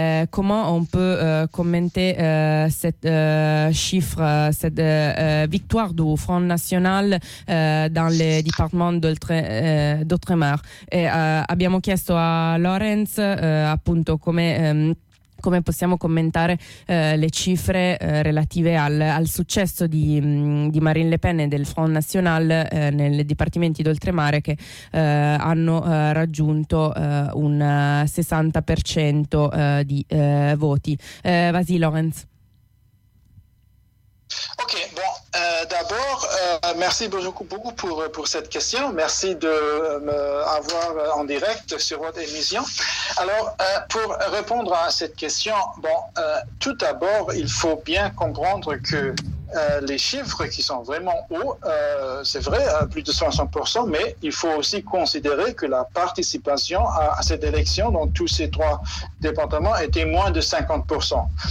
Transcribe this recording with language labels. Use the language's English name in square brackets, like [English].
[French] Comment on peut commenter cette victoire du Front National dans les départements d'outre-mer? [Italian] Abbiamo chiesto a Laurence appunto come possiamo commentare le cifre relative al successo di Marine Le Pen e del Front National nei dipartimenti d'oltremare, che hanno raggiunto un 60% di voti. [French] Vas-y, Laurence. Ok, bon, d'abord, merci beaucoup pour cette question. Merci de m'avoir en direct sur votre émission. Alors, pour répondre à cette question, bon, tout d'abord, il faut bien comprendre que les chiffres qui sont vraiment hauts, c'est vrai, plus de 60%, mais il faut aussi considérer que la participation à cette élection dans tous ces trois départements était moins de 50%.